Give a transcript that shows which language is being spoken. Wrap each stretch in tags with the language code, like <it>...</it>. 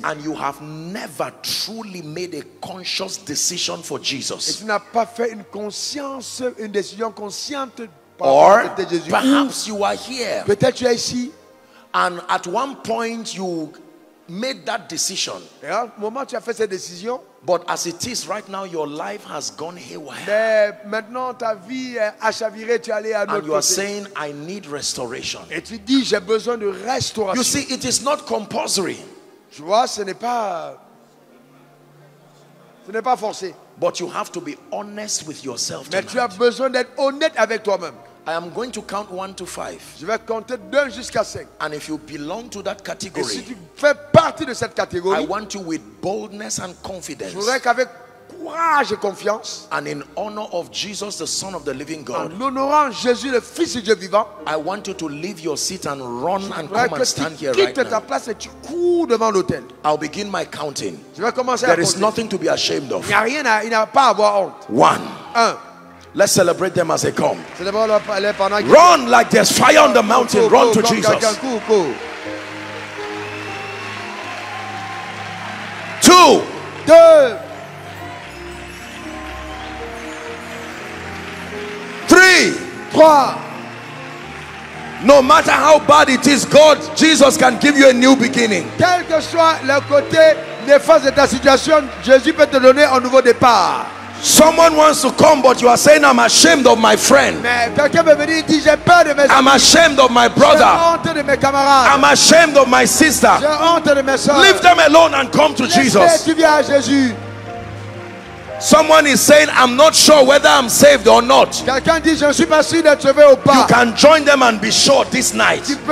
<en>And you have never truly made a conscious decision for Jesus.</en> <fr>Et tu n'as pas fait une conscience, une décision consciente par rapport à Jésus.</fr> <en>Perhaps you are here.</en> <fr>Peut-être tu es ici.</fr> <en>And at one point you made that decision.</en> <fr>Et au moment tu as fait cette décision,</fr> <en>but as it is right now, your life has gone haywire.</en> <fr>Mais maintenant ta vie a chaviré, tu es allé à l'autre côté.</fr> <en>And you are saying, I need restoration.</en> <fr>Et tu dis, j'ai besoin de restauration.</fr> <en>You see, it is not compulsory.</en> <fr>Tu vois, ce n'est pas forcé.</fr> <en>But you have to be honest with yourself.</en> <fr>Mais tu as besoin d'être honnête avec toi-même.</fr> <en>I am going to count 1 to 5.</en> <fr>Je vais compter 2 jusqu'à 5.</fr> <en>And if you belong to that category,</en> <fr>et si tu fais partie de cette catégorie,</fr> <en>I want you with boldness and confidence.</en> <fr>Je voudrais qu'avec courage et confiance,</fr> <en>and in honor of Jesus, the Son of the Living God,</en> <fr>en honorant Jésus, le Fils du Dieu vivant,</fr> <en>I want you to leave your seat and run and come and stand here right now.</en> <fr>Quitte ta place et tu cours devant l'autel.</fr> <en>I'll begin my counting.</en> <fr>Je vais commencer.</fr> <en>There is nothing to be ashamed of.</en> <fr>Il n'y a rien à, il n'y a pas à avoir honte.</fr> <en>1.</en> <fr>1.</fr> <en>Let's celebrate them as they come.</en> <fr>Célébrons-les.</fr> <en>Run like there's fire on the mountain. Run to Jesus. 2.</en> <fr>2.</fr> <en>3.</en> <fr>3.</fr> <en>No matter how bad it is, God, Jesus can give you a new beginning.</en> <fr>Quel que soit le côté néfaste de ta situation, Jésus peut te donner un nouveau départ.</fr> <en>Someone wants to come, but you are saying, I'm ashamed of my friend. I'm ashamed of my brother. I'm ashamed of my sister. Leave them alone and come to Jesus. Someone is saying, I'm not sure whether I'm saved or not. You can join them and be sure this night.</en>